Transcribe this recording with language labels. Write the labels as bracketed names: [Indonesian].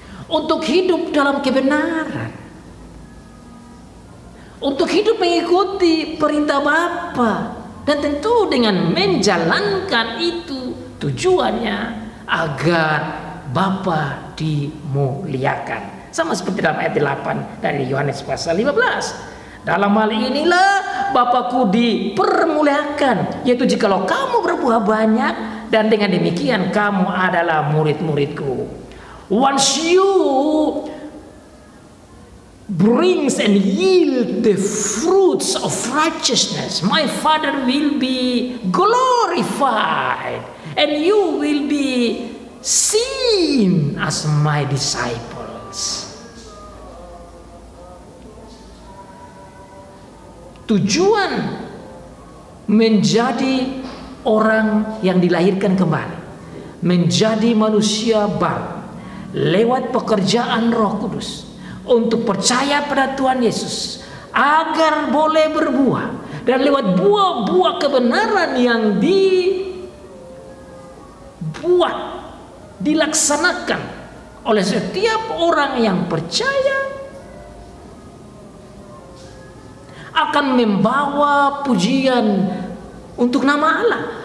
[Indonesian] untuk hidup dalam kebenaran, untuk hidup mengikuti perintah Bapa, dan tentu dengan menjalankan itu tujuannya agar Bapa dimuliakan. Sama seperti dalam ayat 8 dari Yohanes pasal 15. Dalam hal inilah Bapa-Ku dipermuliakan, yaitu jikalau kamu berbuah banyak dan dengan demikian kamu adalah murid-murid-Ku. [English] Once you brings and yield the fruits of righteousness, my Father will be glorified and you will be seen as my disciples. [Indonesian] Tujuan menjadi orang yang dilahirkan kembali, menjadi manusia baru lewat pekerjaan Roh Kudus, untuk percaya pada Tuhan Yesus agar boleh berbuah, dan lewat buah-buah kebenaran yang dibuat, dilaksanakan oleh setiap orang yang percaya, akan membawa pujian untuk nama Allah.